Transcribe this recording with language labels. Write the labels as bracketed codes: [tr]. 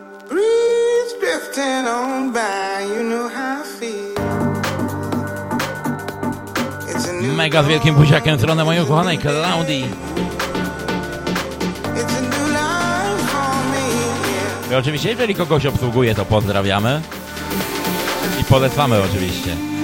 [en] Breeze drifting on by, you know how I feel. It's a new [pl] mega z wielkim buziakiem w stronę mojej ukochanej Klaudii. [en] It's a new life for me, yeah. [pl] I oczywiście, jeżeli kogoś obsługuje, to pozdrawiamy i polecamy oczywiście.